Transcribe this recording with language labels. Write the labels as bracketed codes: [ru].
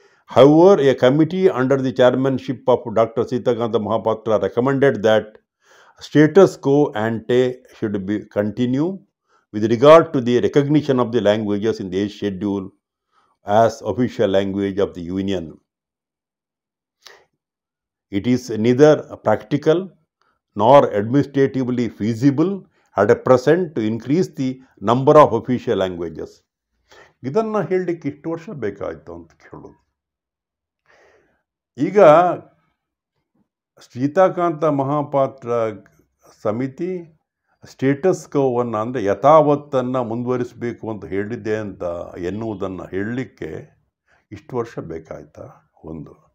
[en] However a committee under the chairmanship of doctor Sitakanta Mahapatra recommended that status quo ante should be continue with regard to the recognition of the languages in the schedule as official language of the union. It is neither practical nor administratively feasible at present to increase the number of official languages. [kn] ಇದನ್ನು ಹೇಳಲಿಕ್ಕೆ ಇಷ್ಟು ವರ್ಷ ಬೇಕಾಯಿತು ಅಂತ ಕೇಳೋದು. ಈಗ ಸೀತಾಕಾಂತ ಮಹಾಪಾತ್ರ ಸಮಿತಿ status ಕೋವನ್ನು ಅಂದರೆ ಯಥಾವತ್ತನ್ನು ಮುಂದುವರಿಸಬೇಕು ಅಂತ ಹೇಳಿದ್ದೆ ಅಂತ ಎನ್ನುವುದನ್ನು ಹೇಳಲಿಕ್ಕೆ ಇಷ್ಟು ವರ್ಷ ಬೇಕಾಯ್ತಾ? ಒಂದು.